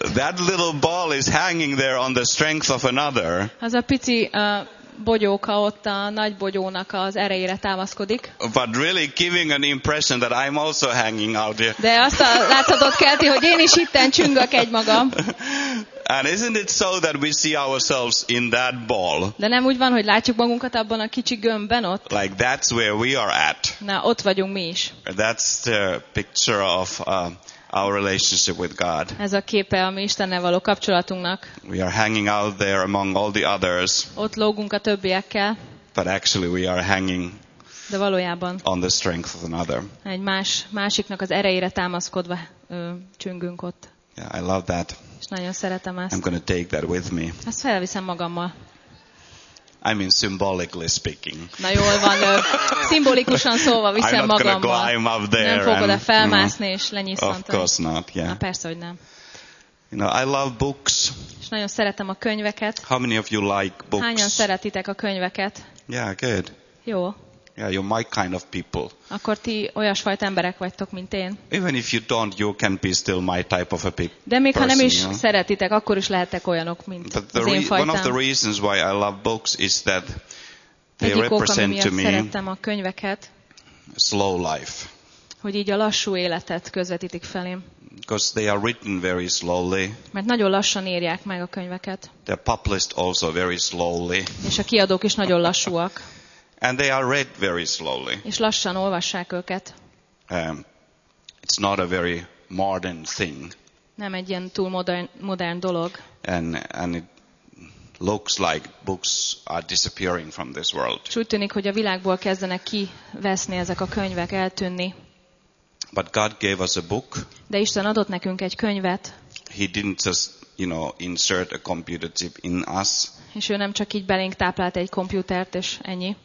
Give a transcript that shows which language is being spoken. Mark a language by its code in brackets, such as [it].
[en] That little ball is hanging there on the strength of another. [hu] Az a pici bogyóka ott a nagy bogyónak az erejére támaszkodik. [en] But really giving an impression that I'm also hanging out here. [hu] De azt a láthatót kelti, hogy én is itten csüngök egymagam. [en] And isn't it so that we see ourselves in that ball? [hu] De nem úgy van, hogy látjuk magunkat abban a kicsi gömbben ott? [en] Like that's where we are at. [hu] Na, ott vagyunk mi is. [en] That's the picture of our relationship with God. [hu] Ez a képe a mi Istennel való kapcsolatunknak. [en] We are hanging out there among all the others. [hu] Ott lógunk a többiekkel. [en] But actually we are hanging. [hu] De valójában. [en] On the strength of another. [hu] Egy másiknak az erejére támaszkodva csüngünk ott. [en] Yeah, I love that. [hu] És nagyon szeretem ezt. [en] I'm going to take that with me. [hu] Ezt felviszem magammal. [en] I mean symbolically speaking. [hu] Na jól van, szimbolikusan szólva viszem magammal. [en] I'm not going to climb up there. [hu] Nem fogod a felmászni és lenyisszantani. [en] Of course not, yeah. [hu] Na persze, hogy nem. [en] You know, I love books. [hu] És nagyon szeretem a könyveket. [en] How many of you like books? [hu] Hányan szeretitek a könyveket? [en] Yeah, good. [hu] Jó. [en] Yeah, you're my kind of people. [hu] Akkor ti olyasfajta emberek vagytok, mint én. [en] Even if you don't, you can be still my type of a people. [hu] De még [en] person, [hu] ha nem is [en] you know? [hu] Szeretitek, akkor is lehettek olyanok, mint az én fajtám. [en] One of the reasons why I love books is that they [hu] egyik [en] represent [hu] oka, [en] to me [hu] szerettem a könyveket, [en] slow life. [hu] Hogy így a lassú életet közvetítik felém. [en] because they are written very slowly. [hu] Mert nagyon lassan írják meg a könyveket. [en] They're published also very slowly. [hu] És a kiadók is nagyon lassúak. [en] And they are read very slowly. [hu] És lassan olvassák őket. [en] It's not a very modern thing. [hu] Nem egy ilyen túl modern dolog. [en] And it looks like books are disappearing from this world. [hu] És úgy tűnik, hogy a világból kezdenek kiveszni ezek a könyvek, eltűnni. [en] But God gave us a book. [hu] De Isten adott nekünk egy könyvet. [en] He didn't just, you know, insert a computer chip in us. [hu] És ő nem csak így belénk táplált egy komputert, és ennyi.